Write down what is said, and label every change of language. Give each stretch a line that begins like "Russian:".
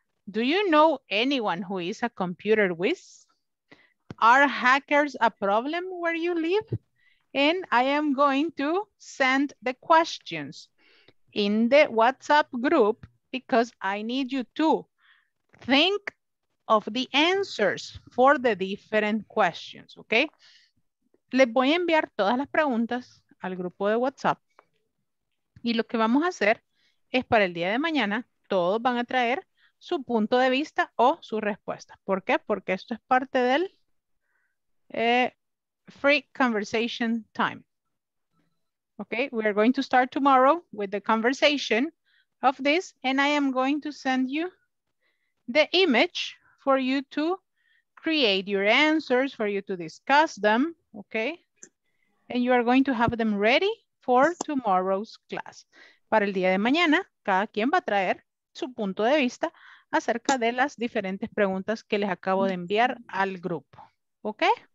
English: Do you know anyone who is a computer whiz? Are hackers a problem where you live? And I am going to send the questions in the WhatsApp group because I need you to think of the answers for the different questions, okay?
Spanish: les voy a enviar todas las preguntas al grupo de WhatsApp. Y lo que vamos a hacer es para el día de mañana, todos van a traer su punto de vista o su respuesta. ¿Por qué? Porque esto es parte del
English: free conversation time. Okay, we are going to start tomorrow with the conversation of this, and I am going to send you the image for you to create your answers, for you to discuss them, okay? And you are going to have them ready for tomorrow's class.
Spanish: Para el día de mañana, cada quien va a traer su punto de vista acerca de las diferentes preguntas que les acabo de enviar al grupo, okay?